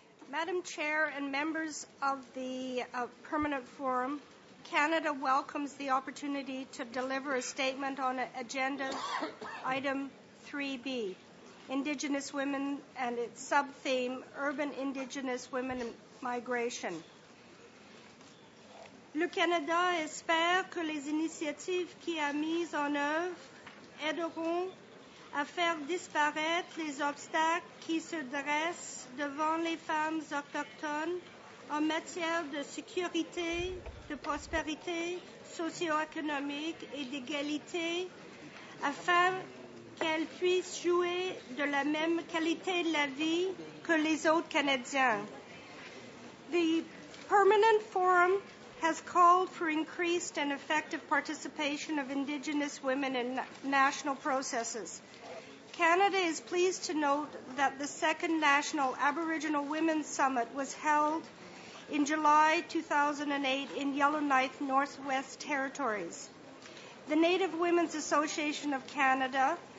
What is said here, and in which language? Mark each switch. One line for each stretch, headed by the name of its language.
English: Madam Chair and members of the Permanent Forum, Canada welcomes the opportunity to deliver a statement on Agenda Item 3B, Indigenous Women, and its sub-theme, Urban Indigenous Women and Migration.
French: Le Canada espère que les initiatives qui a mises en œuvre aideront à faire disparaître les obstacles qui se dressent devant les femmes autochtones en matière de sécurité, de prospérité socio-économique et d'égalité afin qu'elles puissent jouir de la même qualité de la vie que les autres Canadiens.
English: The Permanent Forum has called for increased and effective participation of Indigenous women in national processes. Canada is pleased to note that the second National Aboriginal Women's Summit was held in July 2008 in Yellowknife, Northwest Territories. The Native Women's Association of Canada